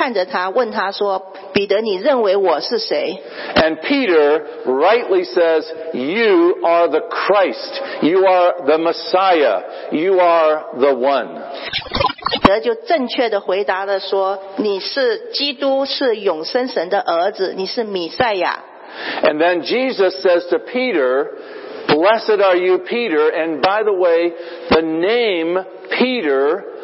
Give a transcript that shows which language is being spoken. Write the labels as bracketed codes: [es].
[zh] 但是他最后就是针对着彼得，看着他，问他说：“彼得，你认为我是谁？” [en] And Peter rightly says, "You are the Christ. You are the Messiah. You are the one." [zh] 彼得就正确地回答了说：“你是基督，是永生神的儿子，你是弥赛亚。” [en] And then Jesus says to Peter, "Blessed are you, Peter. And by the way, the name Peter."